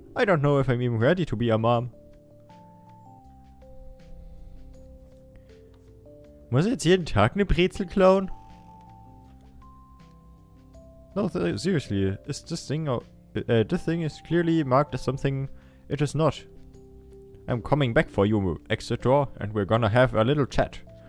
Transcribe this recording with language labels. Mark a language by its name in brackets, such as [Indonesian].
[English] I don't know if I'm even ready to be a mom. [German] Muss ich jetzt jeden Tag eine Brezel klauen? [English] No, seriously. Is this thing... this thing is clearly marked as something it is not. I'm coming back for you, exit door, and we're gonna have a little chat.